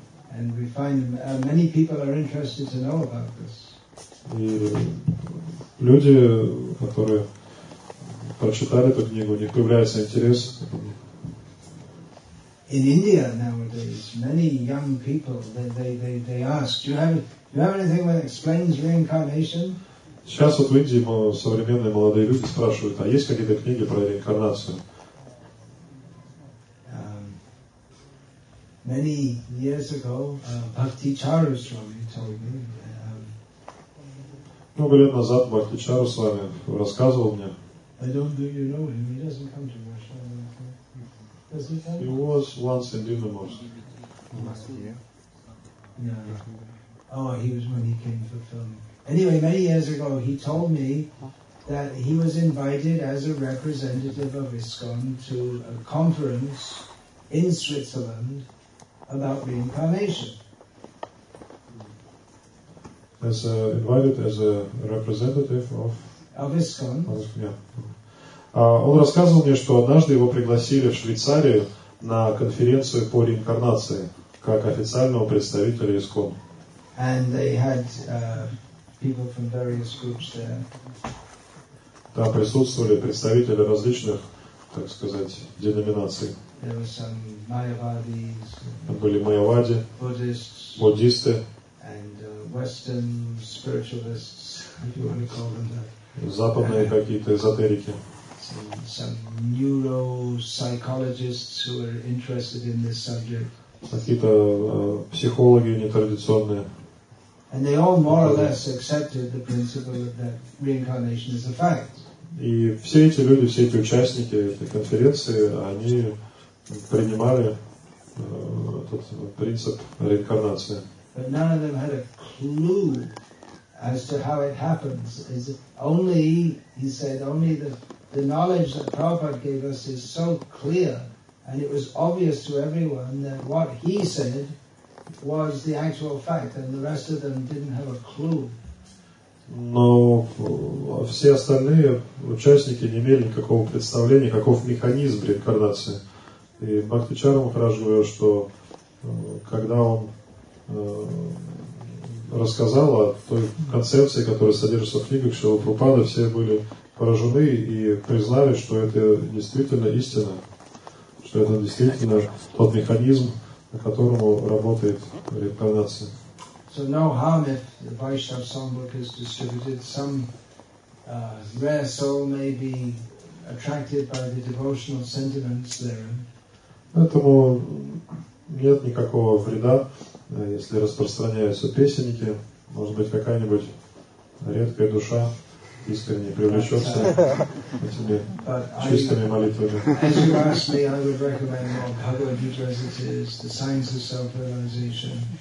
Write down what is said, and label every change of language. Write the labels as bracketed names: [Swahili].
[English] And we find many people are interested to know about this. [Russian] И люди, которые прочитали эту книгу, у них появляется интерес. [English] In India nowadays, many young people they ask, do you have anything that explains reincarnation? [Russian] Сейчас вот в Индии современные молодые люди спрашивают, а есть какие-то книги про реинкарнацию? [English] Many years ago, Bhaktichara Swami told me. [Russian] Много лет назад Бхактичара с вами рассказывал мне. [English] I don't do you know him. He doesn't come to Russia. Does he come? He was once in Dimitrovsk. Yeah. Oh, he was when he came for filming. Anyway, many years ago, he told me that he was invited as a representative of ISKCON to a conference in Switzerland about reincarnation. As a, invited as a representative of... Of ISKCON. [Russian] Он рассказывал мне, что однажды его пригласили в Швейцарию на конференцию по реинкарнации как официального представителя ISKCON. [English] And they had... people from various groups there. [Russian] Там присутствовали представители различных, так сказать, деноминаций. [English] There were some Mayavadis. [Russian] Там были майявади. [English] Buddhists. [Russian] Буддисты. [English] And Western spiritualists, if you want to call them that. [Russian] Западные какие-то эзотерики. [English] Some neuropsychologists who were interested in this subject. [Russian] Какие-то психологи нетрадиционные. [English] And they all more or less accepted the principle that reincarnation is a fact. [Russian] И все эти люди, все эти участники этой конференции, они принимали этот принцип реинкарнации. [English] But none of them had a clue as to how it happens. Is only he said only the knowledge that Prabhupada gave us is so clear, and it was obvious to everyone that what he said was the actual fact, and the rest of them didn't have a clue. [Russian] Но все остальные участники не имели никакого представления, каков механизм реинкарнации. И Бхактичара Махарадж говорил, что когда он рассказал о той концепции, которая содержится в книгах Шрилы Прабхупады, все были поражены и признали, что это действительно истина, что это действительно тот механизм, на котором работает реинкарнация. [English] So no harm if the Vaishnava songbook is distributed. Some rare soul may be attracted by the devotional sentiments therein. [Russian] Поэтому нет никакого вреда, если распространяются песенники. Может быть, какая-нибудь редкая душа искренне привлечется этими чистыми молитвами. [English] As you asked me, I would recommend more Bhagavad Gita as it is, the Science of Self-Realization.